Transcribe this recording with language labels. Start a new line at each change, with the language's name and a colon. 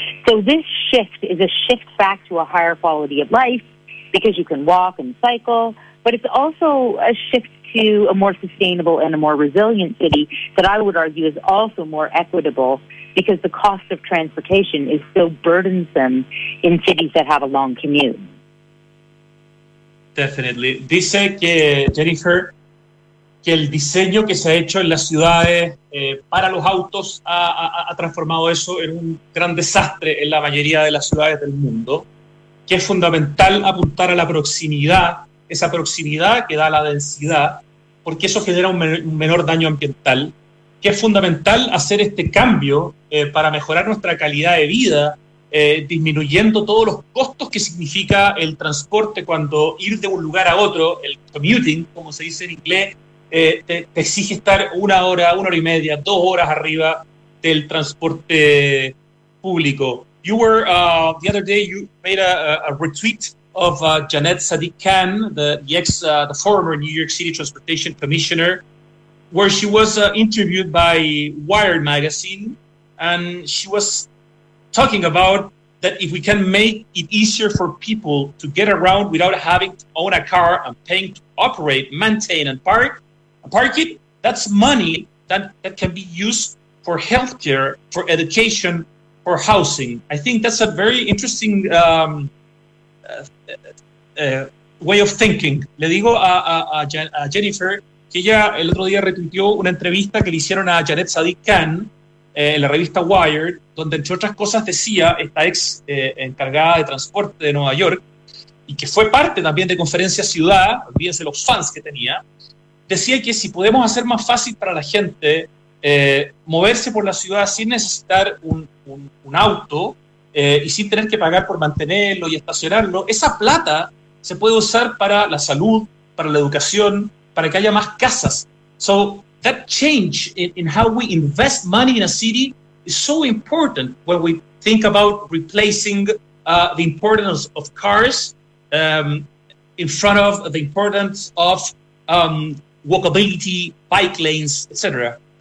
English: So this shift is a shift back to a higher quality of life, because you can walk and cycle, but it's also a shift to a more sustainable and a more resilient city that I would argue is also more equitable, because the cost of transportation is so burdensome in cities that have a long commute. Definitely.
Spanish: Dice que, Jennifer, que el diseño que se ha hecho en las ciudades para los autos ha transformado eso en un gran desastre en la mayoría de las ciudades del mundo, que es fundamental apuntar a la proximidad, esa proximidad que da la densidad, porque eso genera un menor daño ambiental, que es fundamental hacer este cambio para mejorar nuestra calidad de vida, disminuyendo todos los costos que significa el transporte cuando ir de un lugar a otro, el commuting, como se dice en inglés, te exige estar una hora y media, dos horas arriba del transporte público.
English: You were, the other day, you made a retweet of Janet Sadiq Khan, the former New York City Transportation Commissioner, where she was interviewed by Wired magazine, and she was talking about that if we can make it easier for people to get around without having to own a car and paying to operate, maintain, and park it, that's money that can be used for healthcare, for education, for housing. I think that's a very interesting way of thinking.
Spanish: Le digo a Jennifer, que ella el otro día retuiteó una entrevista que le hicieron a Janet Sadiq Khan en la revista Wired, donde entre otras cosas decía, esta ex encargada de transporte de Nueva York, y que fue parte también de Conferencia Ciudad, olvídense los fans que tenía, decía que si podemos hacer más fácil para la gente moverse por la ciudad sin necesitar un auto y sin tener que pagar por mantenerlo y estacionarlo, esa plata se puede usar para la salud, para la educación, para que haya más casas.
English: So that change in how we invest money in a city is so important when we think about replacing the importance of cars in front of the importance of walkability, bike lanes, etc.